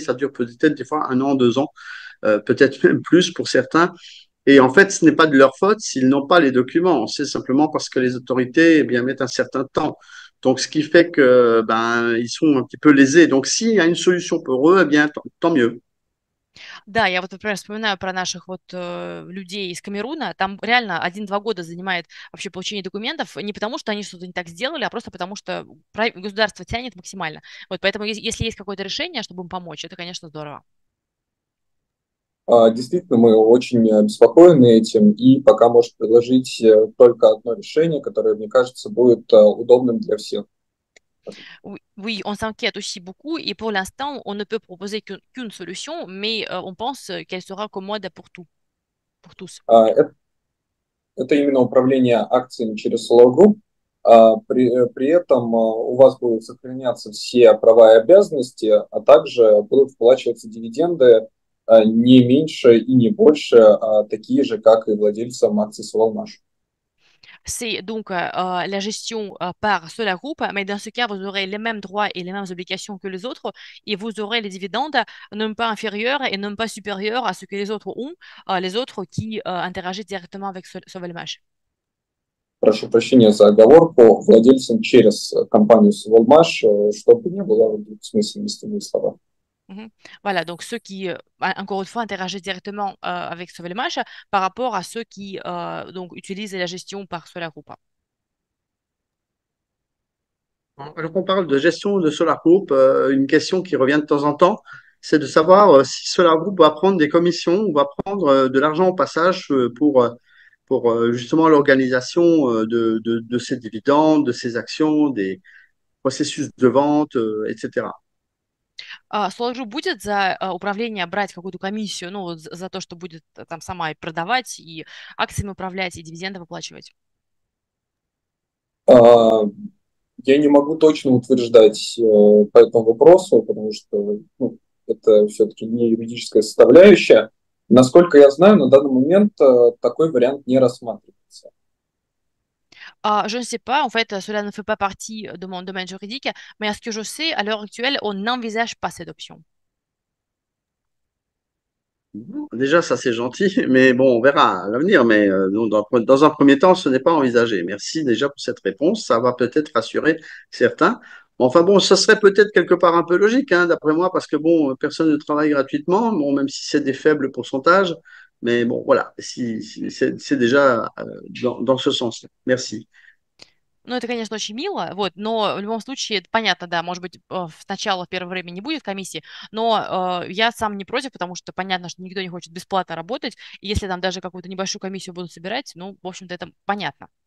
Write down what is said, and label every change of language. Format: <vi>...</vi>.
<fr>Ça dure peut-être des fois 1 an, 2 ans, peut-être même plus pour certains. Et en fait, ce n'est pas de leur faute s'ils n'ont pas les documents. C'est simplement parce que les autorités, eh bien, mettent un certain temps. Donc, ce qui fait que, ben, ils sont un petit peu lésés. Donc, s'il y a une solution pour eux, eh bien, tant mieux.</fr> <ru>Да, я вот, например, вспоминаю про наших вот людей из Камеруна. Там реально 1-2 года занимает вообще получение документов. Не потому, что они что-то не так сделали, а просто потому, что государство тянет максимально. Вот поэтому, если есть какое-то решение, чтобы им помочь, это, конечно, здорово. Действительно, мы очень обеспокоены этим, и пока можешь предложить только одно решение, которое, мне кажется, будет удобным для всех.</ru> <fr>Oui, on s'inquiète aussi beaucoup et pour l'instant, on ne peut proposer qu'une solution, mais on pense qu'elle sera commode pour tout, pour tous.</fr> <ru>Это именно управление акциями через Solar Group. При этом у вас будут сохраняться все права и обязанности, а также будут выплачиваться дивиденды не меньше и не больше, а такие же, как и владельцам акций Solmash.</ru> <fr>C'est donc la gestion par Solar Group, mais dans ce cas, vous aurez les mêmes droits et les mêmes obligations que les autres, et vous aurez les dividendes non pas inférieurs et non pas supérieurs à ce que les autres ont, les autres qui interagissent directement avec Solmash.</fr> <ru>Прошу прощения за оговорку, владельцам через компанию Solmash, чтобы не было двусмысленности моих слов.</ru> <fr>Voilà, donc ceux qui, encore une фois, interagissent directement avec Solmash par rapport à ceux qui donc utilisent la gestion par Solar Group. Alors on parle de gestion de Solar Group, une question qui revient de temps en temps, c'est de savoir si Solar Group va prendre des commissions ou va prendre de l'argent au passage pour justement l'organisation de ses dividendes, de ses actions, des processus de vente, etc.</fr> <ru>Solar Group будет за управление брать какую-то комиссию, ну, за то, что будет там сама и продавать, и акциями управлять, и дивиденды выплачивать. Я не могу точно утверждать по этому вопросу, потому что ну, это все-таки не юридическая составляющая. Насколько я знаю, на данный момент такой вариант не рассматривается.</ru> <fr>Je ne sais pas, en fait, cela ne fait pas partie de mon domaine juridique, mais à ce que je sais, à l'heure actuelle, on n'envisage pas cette option. Déjà, ça c'est gentil, mais bon, on verra à l'avenir. Mais dans un premier temps, ce n'est pas envisagé. Merci déjà pour cette réponse. Ça va peut-être rassurer certains. Enfin bon, ça serait peut-être quelque part un peu logique, hein, d'après moi, parce que bon, personne ne travaille gratuitement, bon, même si c'est des faibles pourcentages. Mais bon, voilà, si, c'est déjà dans ce sens-là. Merci.</fr> <ru>Ну, это, конечно, очень мило, вот, но в любом случае, это понятно, да, может быть, сначала в первое время не будет комиссии, но я сам не против, потому что понятно, что никто не хочет бесплатно работать, и если там даже какую-то небольшую комиссию будут собирать, ну, в общем-то, это понятно.</ru>